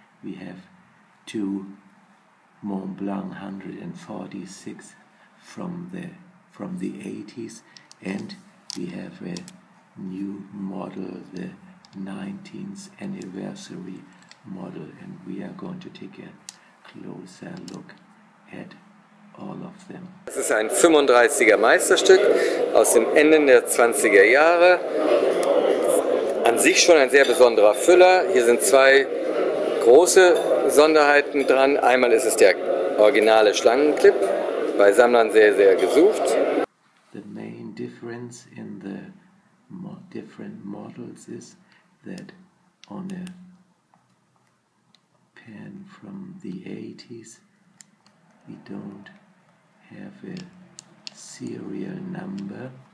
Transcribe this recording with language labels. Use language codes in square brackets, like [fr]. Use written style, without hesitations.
[en] We have two Montblanc 146 from the 80s, and we have a new model, the 19th anniversary model, and we are going to take a closer look at all of them. [de] Das ist ein 35er Meisterstück aus dem Ende der 20er Jahre. An sich schon ein sehr besonderer Füller. Hier sind zwei große Besonderheiten dran. Einmal ist es der originale Schlangenclip, bei Sammlern sehr, sehr gesucht. [en] The main difference in the different models is that on a pen from the 80s we don't have a serial number.